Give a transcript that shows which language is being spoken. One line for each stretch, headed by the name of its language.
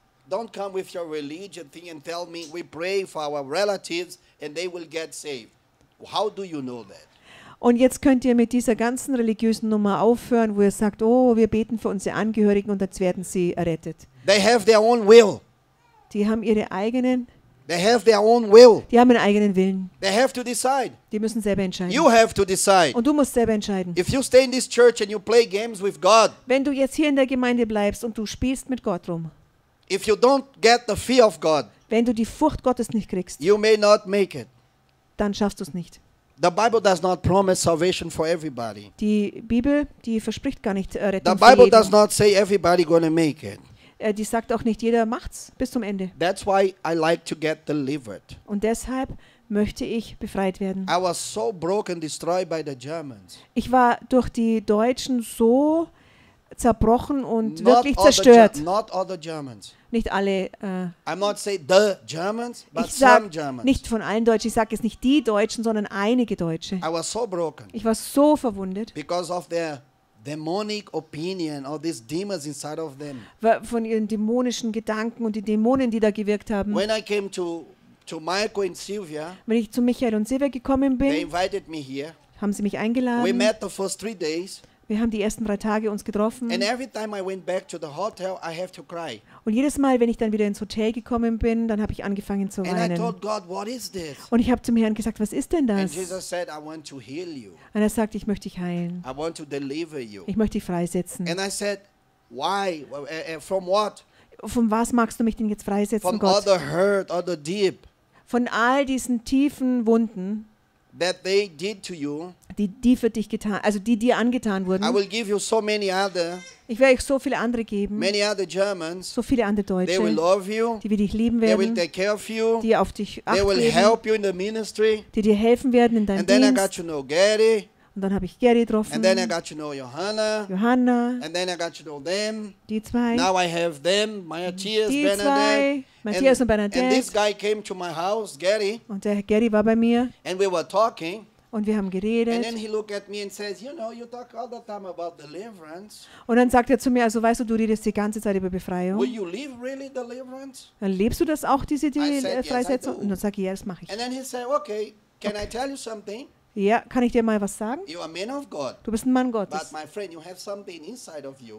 English: Don't come with your religion thing and tell me we pray for our relatives and they will get saved. How do you know that?
German: Und jetzt könnt ihr mit dieser ganzen religiösen Nummer aufhören, wo ihr sagt, oh, wir beten für unsere Angehörigen und jetzt werden sie errettet.
English: They have their own will.
German: Die haben ihre eigenen.
English: They have their own will.
German: Die haben ihren eigenen Willen.
English: They have to decide.
German: Die müssen selber entscheiden.
English: You have to decide.
German: Und du musst selber entscheiden.
English: If you stay in this church and you play games with God.
German: Wenn du jetzt hier in der Gemeinde bleibst und du spielst mit Gott rum.
English: If you don't get the fear of God,
German: wenn du die Furcht Gottes nicht kriegst,
English: you may not make it.
German: Dann schaffst du es nicht.
English: The Bible does not promise salvation for everybody.
German: Die Bibel, die verspricht gar nicht Rettung für jeden.
English: The Bible does not say everybody gonna make it.
German: Die sagt auch nicht, jeder macht's bis zum Ende.
English: That's why I like to get delivered.
German: Und deshalb möchte ich befreit werden.
English: I was so broken, destroyed by the Germans.
German: Ich war durch die Deutschen so zerbrochen und not wirklich zerstört. Nicht alle.
English: I'm not say the Germans, but some Germans.
German: Nicht von allen Deutschen. Ich sage jetzt nicht die Deutschen, sondern einige Deutsche.
English: I was so broken.
German: Ich war so verwundet.
English: Because of their demonic opinion or these demons inside of them.
German: Von ihren dämonischen Gedanken und die Dämonen, die da gewirkt haben.
English: When I came to Michael and Sylvia.
German: Wenn ich zu Michael und Sylvia gekommen bin.
English: They invited me here.
German: Haben sie mich eingeladen.
English: We met the first 3 days.
German: Wir haben die ersten 3 Tage uns getroffen.
English: And every time I went back to the hotel, I have to cry.
German: Und jedes Mal, wenn ich dann wieder ins Hotel gekommen bin, dann habe ich angefangen zu weinen.
English: And I told God, what is this?
German: Und ich habe zum Herrn gesagt, was ist denn das?
English: And Jesus said, I want to heal you.
German: Und er sagt, ich möchte dich heilen.
English: I want to deliver you.
German: Ich möchte dich freisetzen.
English: And I said, why? From what?
German: Von was magst du mich denn jetzt freisetzen,
English: from
German: Gott?
English: All the hurt, all the deep.
German: Von all diesen tiefen Wunden.
English: That they did to you,
German: die für dich getan, also die dir angetan wurden.
English: I will give you so many other,
German: ich werde euch so viele andere geben.
English: Many other Germans,
German: so viele andere Deutsche.
English: They will love you,
German: die will dich lieben werden.
English: They will take care of you,
German: die auf dich acht
English: they will
German: geben.
English: Help you in the ministry,
German: die dir helfen werden in deinem
English: and then
German: Dienst.
English: I got to know Gary,
German: und dann habe ich Gary getroffen.
English: And then I got to know Johanna. And then I got to know them.
German: Die zwei.
English: Now I have them. Matthias,
German: die Bernadette. Zwei. Matthias und Bernadette.
English: And this guy came to my house, Gary.
German: Und der Gary war bei mir.
English: And we were talking.
German: Und wir haben geredet.
English: And then he looked at me and says, you know, you talk all the time about deliverance.
German: Und dann sagt er zu mir, also weißt du, du redest die ganze Zeit über Befreiung.
English: Will you live really deliverance?
German: Dann lebst du das auch, diese Freisetzung?
English: Yes,
German: und dann sage ich, ja, das mache ich.
English: And then he said, okay, can okay. I tell you something?
German: Ja, kann ich dir mal was sagen?
English: You are man of God.
German: Du bist ein Mann Gottes.
English: But my friend, you have something inside of you.